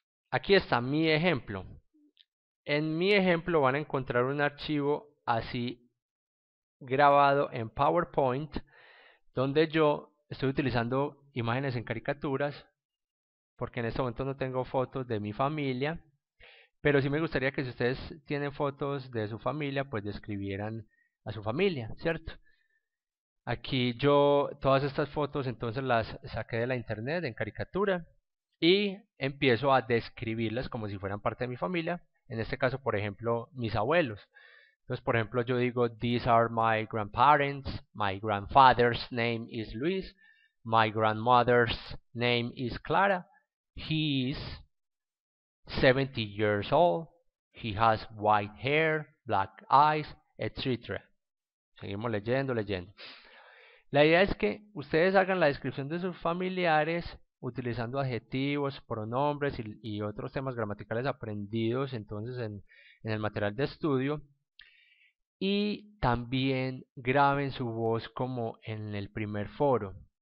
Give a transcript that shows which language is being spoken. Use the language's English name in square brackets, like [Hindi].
[Spanish] Aquí está mi ejemplo. En mi ejemplo van a encontrar un archivo así grabado en PowerPoint, donde yo estoy utilizando imágenes en caricaturas, porque en este momento no tengo fotos de mi familia, pero sí me gustaría que si ustedes tienen fotos de su familia, pues describieran a su familia, ¿cierto? Aquí yo todas estas fotos entonces las saqué de la internet en caricatura y empiezo a describirlas como si fueran parte de mi familia, en este caso, por ejemplo, mis abuelos. Entonces, por ejemplo, yo digo, [English] These are my grandparents. My grandfather's name is Luis. My grandmother's name is Clara. He is 70 years old. He has white hair, black eyes, etc. [Spanish] Seguimos leyendo, leyendo. La idea es que ustedes hagan la descripción de sus familiares utilizando adjetivos, pronombres y otros temas gramaticales aprendidos entonces en el material de estudio. Y también graben su voz como en el primer foro.